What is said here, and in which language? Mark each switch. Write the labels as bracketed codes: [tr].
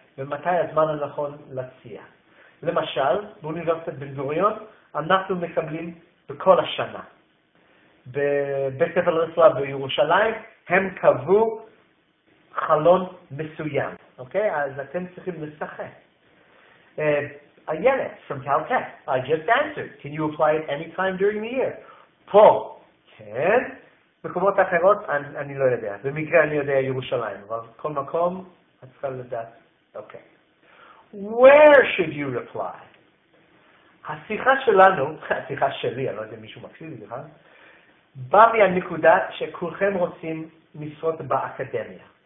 [he] ומתי הזמן הנכון להציע. למשל, באוניברסיטת בן גוריון, אנחנו מקבלים בכל השנה. בבית ספר לרפואה בירושלים, הם קבעו חלון מסוים, אוקיי? אז אתם צריכים לשחק. [en] I get it, from Caltech. I just answered. Can you apply it any time during the year? [he] פה, כן. מקומות אחרות, אני לא יודע. במקרה אני יודע ירושלים, אבל כל מקום, את צריכה לדעת. אוקיי. [en] Where should you reply? [he] השיחה שלנו, השיחה שלי, אני לא יודע אם מישהו מקשיב לי, נכון? בא מהנקודה שכולכם רוצים משרות באקדמיה.